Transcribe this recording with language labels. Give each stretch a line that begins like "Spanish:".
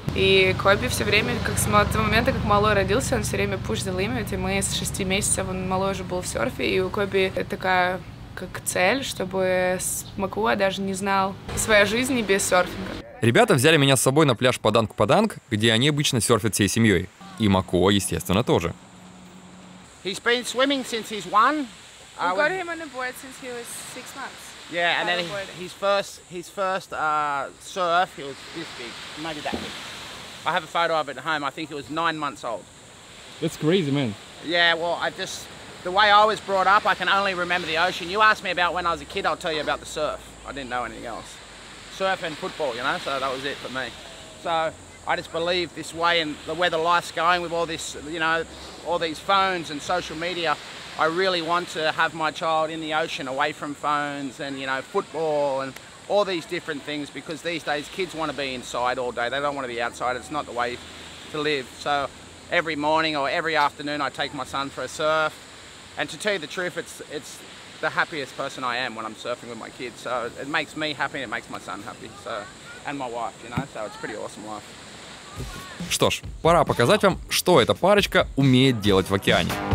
Russian: И Коби все время, как с того момента, как малой родился, он все время
English: push the limit.
Russian: И мы с 6 месяцев, он малой уже был в серфе. И у Коби такая как цель, чтобы Макуа даже не знал своей жизни без серфинга. Ребята взяли меня с собой на пляж Паданг-Паданг, где они обычно серфят всей семьей. И Макуа, естественно, тоже.
English: He's been swimming since he's one. We got him on the board since he was 6 months. Yeah, and then his first surf, he was this big, maybe that big. I have a photo of it at home, I think he was 9 months old. That's crazy, man. Yeah, well, the way I was brought up, I can only remember the ocean. You asked me about when I was a kid, I'll tell you about the surf. I didn't know anything else. Surf and football, you know, so that was it for me. So I just believe this way and the way the life's going with all this, you know, all these phones and social media. I really want to have my child in the ocean away from phones and, you know, football and all these different things, because these days kids want to be inside all day. They don't want to be outside. It's not the way to live. So every morning or every afternoon I take my son for a surf, and to tell you the truth, it's the happiest person I am when I'm surfing with my kids. So it makes me happy and it makes my son happy, so, and my wife, you know, so it's a pretty awesome life.
Russian: Что ж, пора показать вам, что эта парочка умеет делать в океане.